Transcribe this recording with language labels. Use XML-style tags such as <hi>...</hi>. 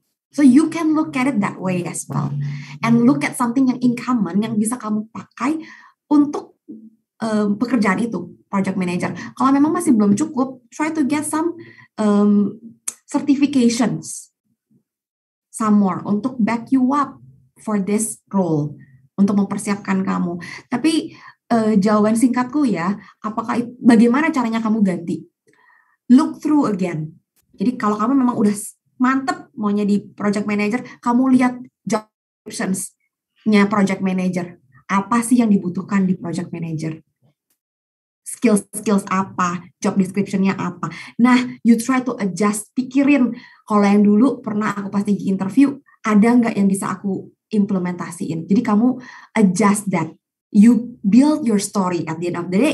<en>So you can look at it that way as well. And look at something</en> <id>yang</id> <en>in common</en> <id>yang bisa kamu pakai untuk pekerjaan itu, project manager. Kalau memang masih belum cukup,</id> <en>try to get some certifications. Some more untuk back you up for this role.</en> <id>Untuk mempersiapkan kamu. Tapi jawaban singkatku ya, apakah bagaimana caranya kamu ganti?</id> <en>Look through again.</en> <id>Jadi kalau kamu memang udah mantep maunya di project manager, kamu lihat job descriptions-nya project manager. Apa sih yang dibutuhkan di project manager? Skills-skills apa? Job description-nya apa? Nah,</id> <en>you try to adjust,</en> <id>pikirin. Kalau yang dulu pernah aku pasti di interview, ada nggak yang bisa aku implementasiin? Jadi kamu</id> <en>adjust that. You build your story at the end of the day.</en>